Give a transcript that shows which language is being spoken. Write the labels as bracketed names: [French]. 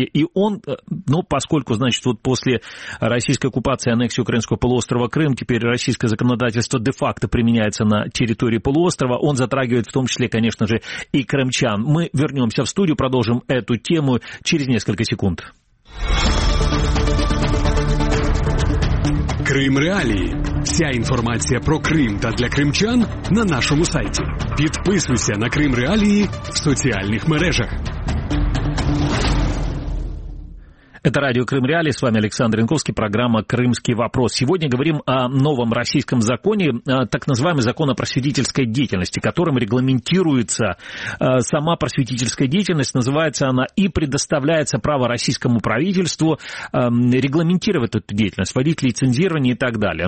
[Russian] И он, ну, поскольку, значит, вот после российской оккупации, аннексии украинского полуострова Крым, теперь российское законодательство де-факто применяется на территории полуострова, он затрагивает в том числе, конечно же, и крымчан. Мы вернемся в студию, продолжим эту тему через несколько секунд. [Ukrainian] Крым Реалії. Вся інформація про Крим та для кримчан на нашому сайті. Підписуйся на Крим Реалії в соціальних мережах. [Russian] Это радио «Крым Реали», с вами Александр Янковский, программа «Крымский вопрос». Сегодня говорим о новом российском законе, так называемый закон о просветительской деятельности, которым регламентируется сама просветительская деятельность, называется она, и предоставляется право российскому правительству регламентировать эту деятельность, вводить лицензирование и так далее.